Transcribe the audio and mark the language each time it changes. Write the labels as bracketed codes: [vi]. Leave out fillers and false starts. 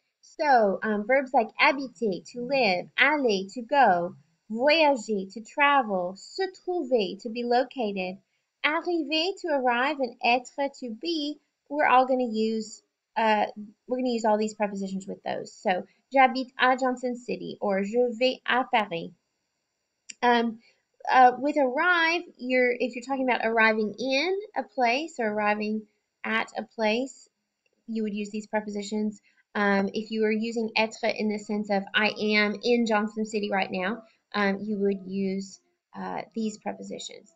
[en] So verbs like habiter, to live, aller, to go, voyager, to travel, se trouver, to be located, arriver, to arrive, and être, to be, we're going to use all these prepositions with those. [fr] So j'habite à Johnson City, or je vais à Paris. [en] With arrive, if you're talking about arriving in a place or arriving at a place, you would use these prepositions. If you were using être in the sense of I am in Johnson City right now, you would use these prepositions.